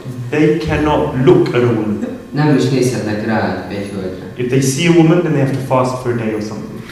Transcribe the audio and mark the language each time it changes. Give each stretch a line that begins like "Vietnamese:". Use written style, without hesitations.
English: They cannot look at a woman.
Hungarian: Nem is nézhetnek rá egy hölgyre.
English: If they see a woman, then they have to fast for a day or something.